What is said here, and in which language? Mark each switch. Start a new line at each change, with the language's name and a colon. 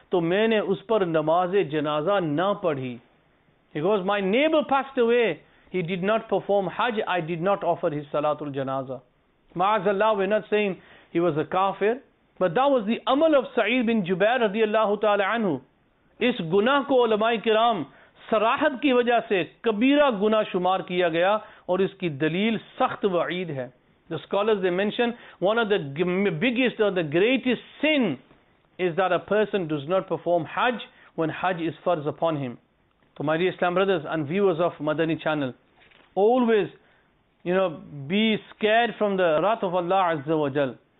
Urdu: تو میں نے اس پر نماز جنازہ نہ پڑھی.
English: He goes, my neighbor passed away. He did not perform hajj. I did not offer his salatul janaza. MaazAllah, we're not saying he was a kafir. But that was the amal of Sa'id bin Jubair رضی اللہ تعالی عنہ.
Urdu: اس گناہ کو علماء کرام سراحت کی وجہ سے کبیرہ گناہ شمار کیا گیا اور اس کی دلیل سخت وعید ہے.
English: The scholars, they mention one of the biggest or the greatest sin is that a person does not perform hajj when hajj is farz upon him. So my dear Islam brothers and viewers of Madani channel, always, you know, be scared from the wrath of Allah Azza wa Jal.